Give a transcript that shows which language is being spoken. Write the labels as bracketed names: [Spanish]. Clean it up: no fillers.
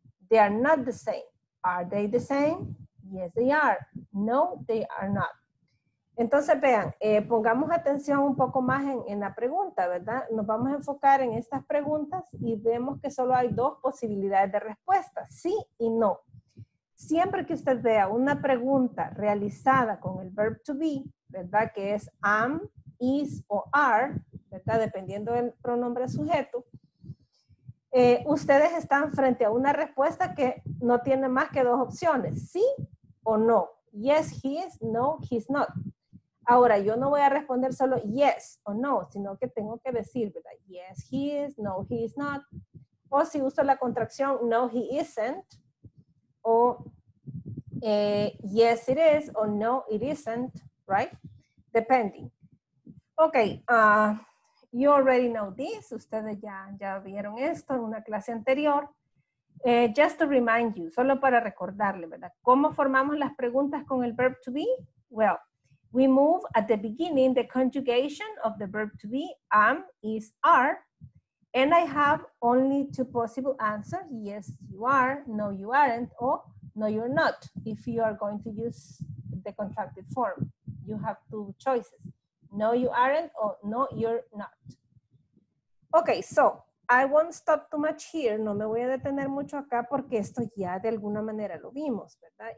[English] They are not the same. Are they the same? Yes, they are. No, they are not. [Spanish] Entonces, vean, pongamos atención un poco más en la pregunta, ¿verdad? Nos vamos a enfocar en estas preguntas y vemos que solo hay dos posibilidades de respuesta, sí y no. Siempre que usted vea una pregunta realizada con el verb to be, ¿verdad? Que es am, is o are, ¿verdad? Dependiendo del pronombre sujeto, ustedes están frente a una respuesta que no tiene más que dos opciones, sí o no. Yes, he is, no, he's not. Ahora, yo no voy a responder solo yes o no, sino que tengo que decir, ¿verdad? [English] Yes, he is, no, he is not. O si uso la contracción, no, he isn't. O yes, it is, o no, it isn't, right? Depending. Ok, you already know this. [Spanish] Ustedes ya vieron esto en una clase anterior. Just to remind you, solo para recordarle, ¿verdad? ¿Cómo formamos las preguntas con el verb to be? [English] Well, we move at the beginning the conjugation of the verb to be, am, is, are, and I have only two possible answers, yes, you are, no, you aren't, or no, you're not, if you are going to use the contracted form. You have two choices, no, you aren't, or no, you're not. [Spanish] Okay, so I won't stop too much here, no me voy a detener mucho acá porque esto ya de alguna manera lo vimos, ¿verdad?